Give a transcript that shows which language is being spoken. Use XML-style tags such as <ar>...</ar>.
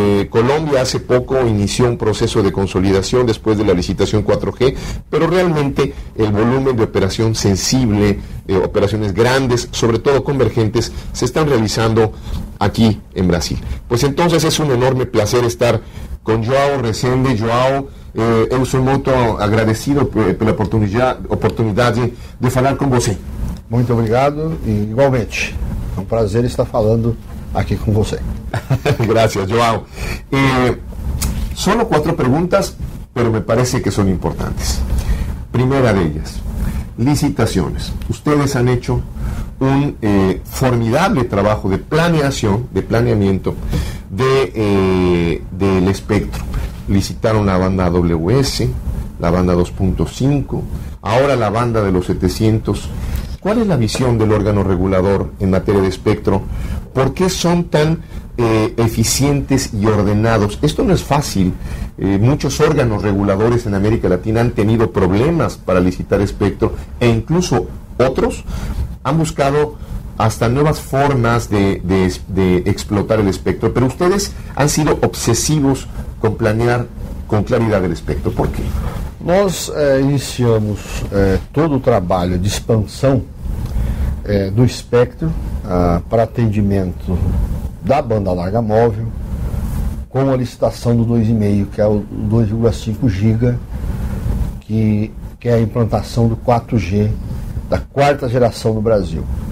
<es>Colombia hace poco inició un proceso de consolidación después de la licitación 4G, pero realmente el volumen de operación sensible, operaciones grandes, sobre todo convergentes, se están realizando aquí en Brasil. Pues entonces es un enorme placer estar con João Resende.</es> <pt>João, eu sou muito agradecido pela oportunidade de falar com você. Muito obrigado e igualmente. É um prazer estar falando aqui com você.</pt> <es>Gracias, João. Solo 4 perguntas, pero me parece que son importantes. Primera de ellas, licitaciones. Ustedes han hecho un formidable trabajo de planeación, de planeamiento del espectro. Licitaron la banda AWS, la banda 2.5, ahora la banda de los 700. ¿Cuál es la visión del órgano regulador en materia de espectro? ¿Por qué son tan eficientes y ordenados? Esto no es fácil. Muchos órganos reguladores en América Latina han tenido problemas para licitar espectro e incluso otros han buscado hasta nuevas formas de explotar el espectro, pero ustedes han sido obsesivos con planear con claridad el espectro. ¿Por qué? Nos iniciamos todo el trabajo de expansión</es> <pt>do espectro para atendimiento da banda larga móvil com a licitação do 2,5, que é o 2,5 giga, que é a implantação do 4G da quarta geração no Brasil.</pt>